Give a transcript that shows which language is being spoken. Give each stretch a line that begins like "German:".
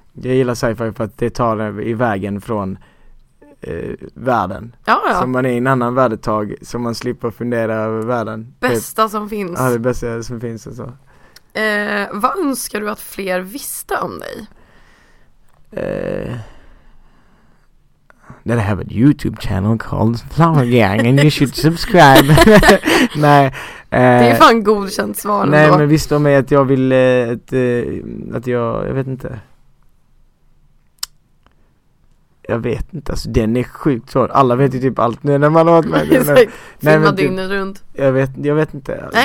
Swedish: Jag gillar sci-fi för att det tar i vägen från världen. Ja, ja. Så man är i en annan värld ett tag, så man slipper fundera över världen. Bästa typ. Som finns. Ja, det bästa som finns och så. Vad önskar du att fler visste om dig?
English: That I have a YouTube channel called Flower Gang and you should subscribe.
Swedish: Nej, det är fan godkänt svar. Nej, ändå. Men visst om mig att jag vill att jag vet inte. Jag vet inte, alltså den är sjukt svår. Alla vet ju typ allt nu när man har varit med. Filma dygnet runt. Jag vet inte.